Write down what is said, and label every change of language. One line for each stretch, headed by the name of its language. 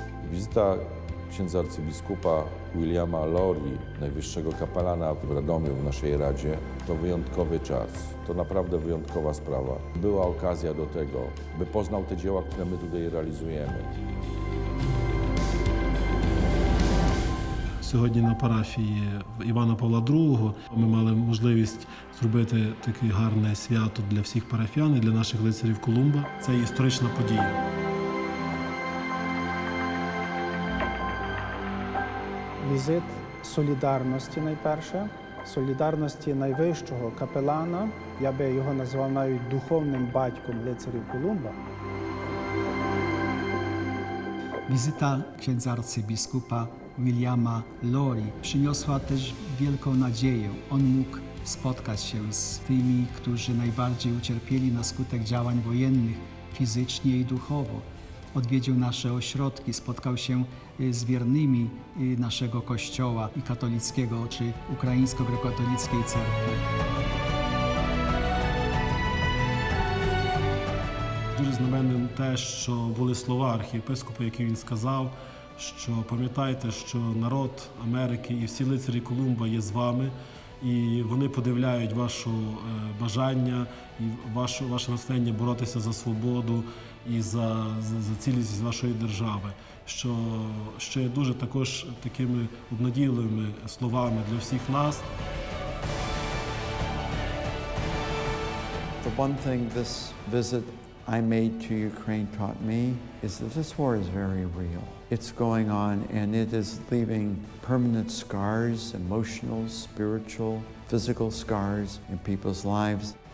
Polish: Wizyta księdza arcybiskupa Williama Laurie, najwyższego kapelana w Radomiu, w naszej Radzie, to wyjątkowy czas. To naprawdę wyjątkowa sprawa. Była okazja do tego, by poznał te dzieła, które my tutaj realizujemy.
Ukrainian: Сьогодні на парафії Івана Павла II ми мали можливість зробити таке гарне свято для всіх парафіян і для наших лицарів Колумба. Це історична подія. Візит солідарності найперше, солідарності найвищого капелана, я би його назвав навіть духовним батьком лицарів Колумба.
Polish: Візита księдза арцибіскупа Williama Laurie przyniosła też wielką nadzieję. On mógł spotkać się z tymi, którzy najbardziej ucierpieli na skutek działań wojennych fizycznie i duchowo. Odwiedził nasze ośrodki, spotkał się z wiernymi naszego kościoła i katolickiego, czy ukraińsko-grekokatolickiej cerkwi.
Ukrainian: Дуже знаменним те, що були слова архієпископа, які він сказав, що пам'ятайте, що народ Америки і всі лицарі Колумба є з вами, і вони подивляють ваше бажання і ваше настання боротися за свободу і за цілість вашої держави. Що є дуже також такими обнадійливими словами для всіх нас.
English: The one thing this visit I made to Ukraine taught me is that this war is very real. It's going on and it is leaving permanent scars, emotional, spiritual, physical scars in people's lives.